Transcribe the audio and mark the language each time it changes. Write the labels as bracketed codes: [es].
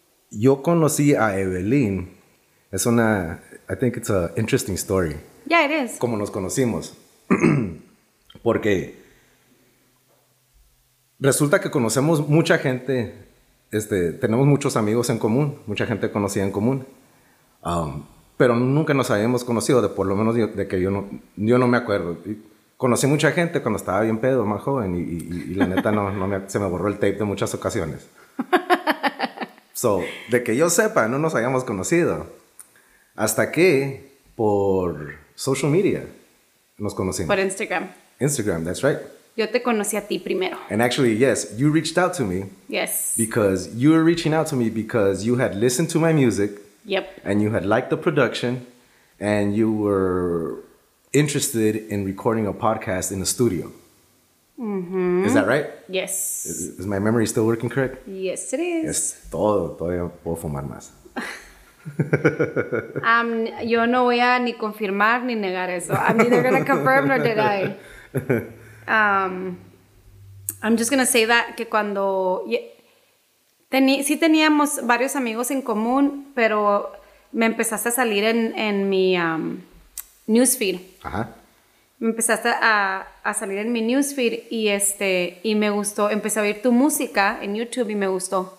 [es] Yo conocí a Evelyn, es una, [en] I think it's an interesting story. Yeah, it is. [es] Como nos conocimos. Porque resulta que conocemos mucha gente, tenemos muchos amigos en común, mucha gente conocida en común. Pero nunca nos habíamos conocido, de por lo menos yo no me acuerdo. Conocí mucha gente cuando estaba bien pedo, más joven, y la neta se me borró el tape de muchas ocasiones. So, de que yo sepa, no nos habíamos conocido. Hasta que por social media nos conocimos. Por Instagram. [en] Instagram, that's right. [es] Yo te conocí a ti primero. [en] And actually, yes, you reached out to me. Yes. Because you were reaching out to me because you had listened to my music. Yep. And you had liked the production. And you were interested in recording a podcast in a studio. Mm-hmm. Is that right? Yes. Is my memory still working correct? Yes, it is. [es] Es todo. Todavía puedo fumar más. Yo no voy a ni confirmar ni negar eso. [en] I'm neither going to confirm nor did I. I'm just going to say that [es] que cuando... sí teníamos varios amigos en común, pero me empezaste a salir en mi newsfeed. Ajá. Me empezaste a salir en mi newsfeed y me gustó. Empecé a oír tu música en YouTube y me gustó.